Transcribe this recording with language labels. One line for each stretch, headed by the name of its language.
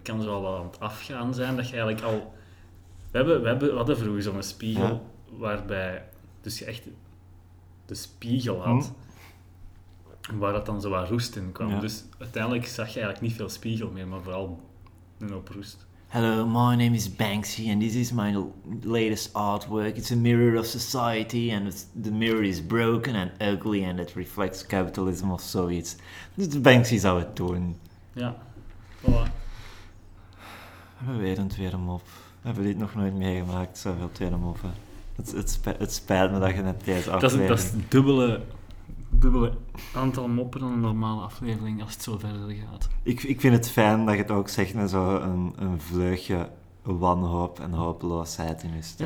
Dutch: Kan zo wel wat aan het afgaan zijn. Dat je eigenlijk al... We hadden vroeger zo'n spiegel waarbij... Dus je echt de spiegel had. Mm. Waar dat dan zo wat roest in kwam. Ja. Dus uiteindelijk zag je eigenlijk niet veel spiegel meer, maar vooral een hoop roest.
English: Hello, my name is Banksy and this is my latest artwork. It's a mirror of society and the mirror is broken and ugly and it reflects capitalism of Soviets.
Dutch: Banksy zou het doen. Ja, voilà. We hebben weer een tweede mop. We hebben dit nog nooit meegemaakt, zoveel tweede moppen. Het spijt me dat je net deze aflevering... Dat is dubbele aantal moppen dan een normale aflevering als het zo verder gaat. Ik vind het fijn dat je het ook zegt met zo een vleugje wanhoop en hopeloosheid in je stem.